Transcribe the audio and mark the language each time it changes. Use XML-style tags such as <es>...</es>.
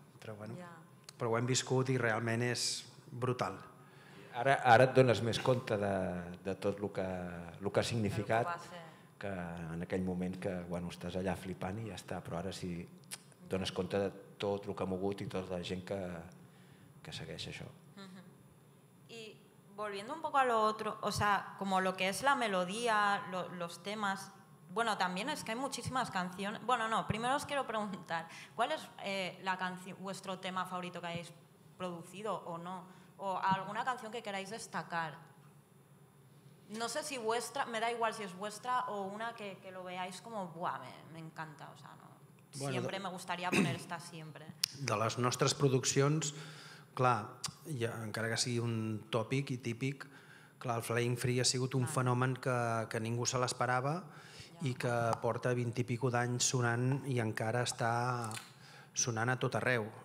<ca>Però, bueno, però ho hem viscut i realment és brutal. Ara et dones més compte de tot el que ha significat. Que en aquell moment que bueno, estàs allà flipant i ja està, però ara sí dones compte de tot el que ha mogut i tota la gent que segueix això.</ca> <es>Y volviendo un poco a lo otro, o sea, como lo que es la melodía, los temas, bueno, también es que hay muchísimas canciones. Bueno, no, primero os quiero preguntar, ¿cuál es vuestro tema favorito que hayáis producido o no? O alguna canción que queráis destacar. No sé si vuestra, me da igual si es vuestra o una que lo veáis como, buah, me encanta, o sea, no. Bueno, siempre me gustaría poner esta siempre.</es> <ca>De les nostres produccions, clar, ja, encara que sigui un tòpic i típic, clar, el Flying Free ha sigut un fenomen que ningú se l'esperava i que porta 20 i pico d'anys sonant i encara està sonant a tot arreu.</ca>